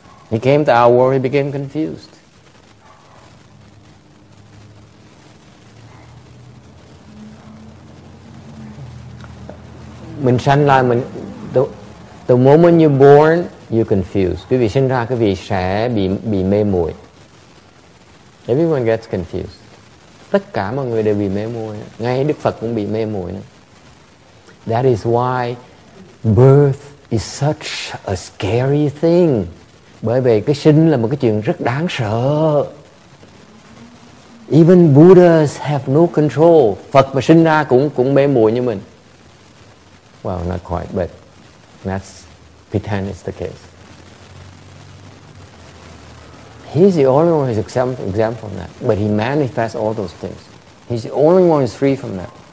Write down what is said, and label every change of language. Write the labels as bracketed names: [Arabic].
[English] He came to our world, he became confused. [Vietnamese] Mình sanh ra, [English] the moment you're born, you're confused. [Vietnamese] Quý vị sinh ra, quý vị sẽ bị mê muội. [English] Everyone gets confused. [Vietnamese] Tất cả mọi người đều bị mê muội. Ngay Đức Phật cũng bị mê muội. [English] That is why birth is such a scary thing. [Vietnamese] Bởi vì cái sinh là một cái chuyện rất đáng sợ. [English] Even Buddhas have no control. [Vietnamese] Phật mà sinh ra cũng mê muội như mình. [English] Well, not quite, but that's pretend it's the case. He's the only one who's exempt from that. But he manifests all those things. He's the only one who's free from that.